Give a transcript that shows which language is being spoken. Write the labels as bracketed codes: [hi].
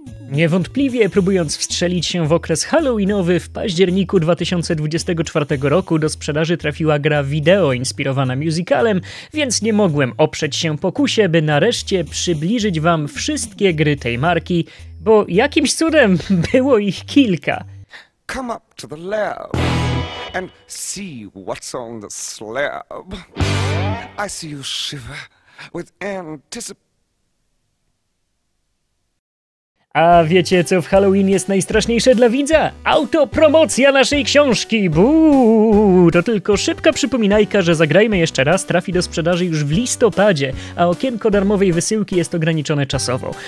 [pl] Niewątpliwie próbując wstrzelić się w okres halloweenowy, w październiku 2024 roku do sprzedaży trafiła gra wideo inspirowana musicalem, więc nie mogłem oprzeć się pokusie, by nareszcie przybliżyć wam wszystkie gry tej marki, bo jakimś cudem było ich kilka. [en] Come up to the lab and see what's on the slab. I see you shiver with anticipation. [pl] A wiecie, co w Halloween jest najstraszniejsze dla widza? Autopromocja naszej książki! Buuu! To tylko szybka przypominajka, że Zagrajmy jeszcze raz trafi do sprzedaży już w listopadzie, a okienko darmowej wysyłki jest ograniczone czasowo.